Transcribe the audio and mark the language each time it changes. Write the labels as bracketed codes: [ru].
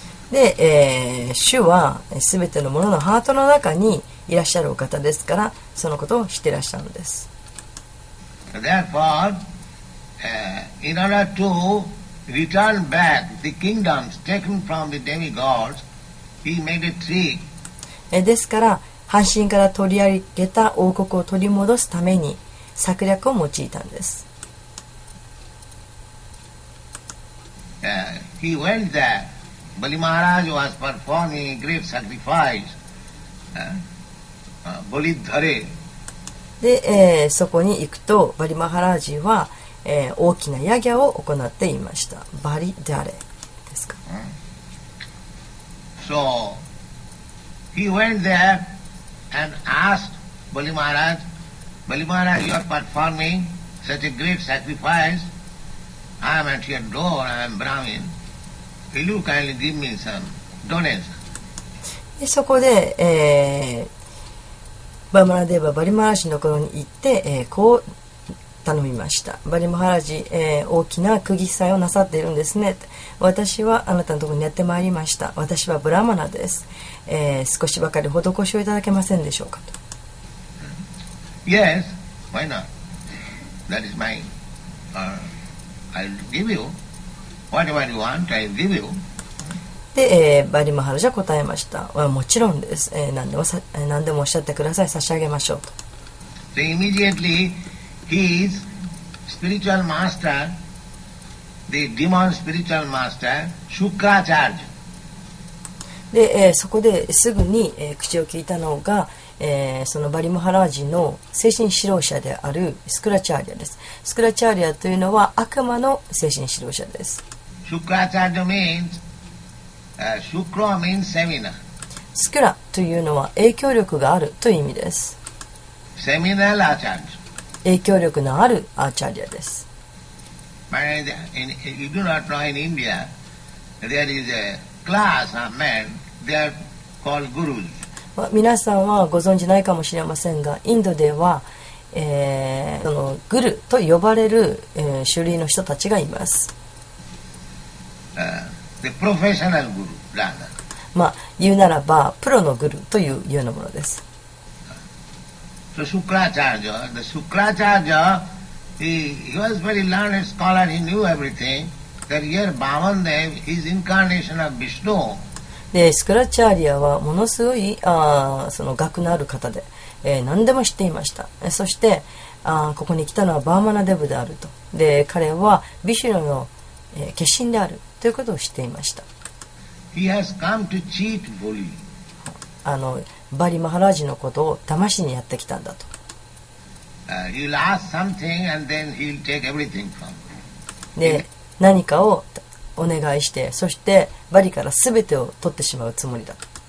[ja] で、主は全ての者のハートの中にいらっしゃるお方ですから、そのことを知っていらっしゃるのです。 [en] Therefore, in order to return back the kingdoms taken from the demigods, he made a tree. [ja] ですから、半神から取り上げた王国を取り戻すために策略を用いたんです。 [en] He went there. Bali Maharaj was performing a great sacrifice. Bali Dhare. [ja] で、そこに行くと、バリマハラージは、大きなヤギャを行っていました。バリダレですか。 [en] So he went there and asked Bali Maharaj, Bali Maharaj, you are performing such a great sacrifice. I am at your door. I am Brahmin. Will you kindly give me some donation? [ja] で、そこで、バーマナデーバ、バリマハラジのところに行って、こう頼みました。バリマハラジ、大きな釘さえをなさっているんですね。私はあなたのところにやってまいりました。私はブラマナです。少しばかり施しをいただけませんでしょうかと。 [en] Yes, why not? That is mine. I'll give you whatever you want. I'll give you. [ja] で、バリマハラジャ答えました。もちろんです、何でもおっしゃってください。差し上げましょうと。 [en] So immediately his spiritual master, the demon spiritual master, Shukracharya. [ja] で、そこですぐに、口を聞いたのが、そのバリマハラジの精神指導者であるスクラチャーリアです。スクラチャーリアというのは悪魔の精神指導者です。 [en] Shukracharya meansShukra means seminar. [ja] スクラというのは影響力があるという意味です。 [en] Seminal Acharya. [ja] 影響力のあるアーチャリアです。 [en] You do not know in India, there is a class of men, they are called gurus. [ja] 皆さんはご存じないかもしれませんが、インドでは、そのグルと呼ばれる、種類の人たちがいます。 [en] The professional guru, [ja] まあ言うならばプロのグルというようなものです。 [en] So Shukracharya, the Shukracharya, he was very learned scholar. He knew everything. That here Bhavandev is incarnation of Vishnu. [ja] で、スクラチャーリアはものすごいその学のある方で、何でも知っていました。そしてここに来たのはバーマナデブであると。で、彼はビシュヌの、化身である。ということを知っていました。 [en] He has come to cheat Bali. [ja] バリマハラジのことを騙しにやってきたんだと。 [en] He'll ask something and then he'll take everything from me. [ja] で、何かをお願いして、そしてバリからすべてを取ってしまうつもりだと。